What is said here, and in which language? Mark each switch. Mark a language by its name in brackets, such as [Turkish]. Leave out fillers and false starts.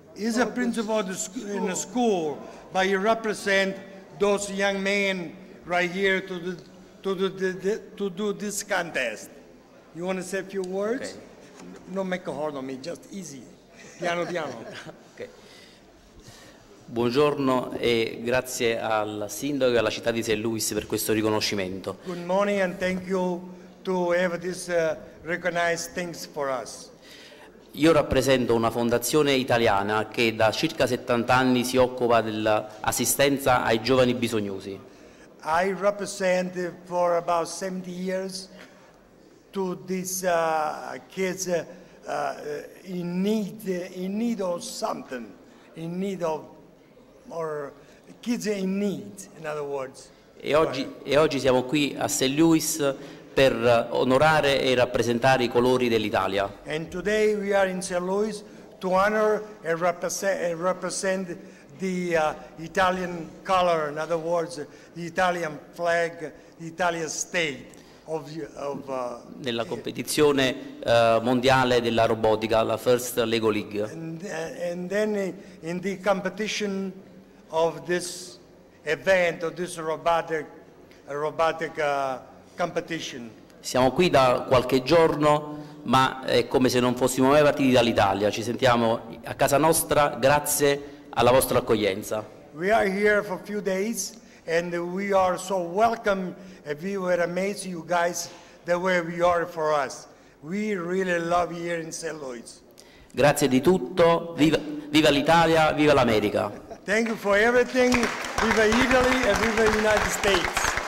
[English] He's the principal of the school. In the school, but he represent those young men right here to do this contest. You want to say a few words? Okay. Don't make a hard on me, just easy. [Italian] Piano piano. [English] Okay. [Italian] Buongiorno e grazie al sindaco e alla città di St. Louis per questo riconoscimento. [English] Good morning and thank you to have this recognized things for us. [Italian] Io rappresento una fondazione italiana che da circa 70 anni si occupa dell'assistenza ai giovani bisognosi. [English] I represent for about 70 years to these kids in need of something, in need of, or kids in need, in other words. [Italian] E oggi siamo qui a St. Louis per onorare e rappresentare i colori dell'Italia. [English] And today we are in St. Louis to honor and represent the Italian color, in other words, the Italian flag, the Italian state of [Italian] nella competizione mondiale della robotica, la First Lego League. [English] And then in the competition of this event, of this robotic competition. [Italian] Siamo qui da qualche giorno, ma è come se non fossimo mai partiti dall'Italia. Ci sentiamo a casa nostra grazie alla vostra accoglienza. [English] We are here for a few days and we are so welcome and we were amazed you guys the way we are for us. We really love here in St. Louis. [Italian] Grazie di tutto, viva l'Italia, viva l'America. [English] Thank you for everything, viva Italy and viva the United States.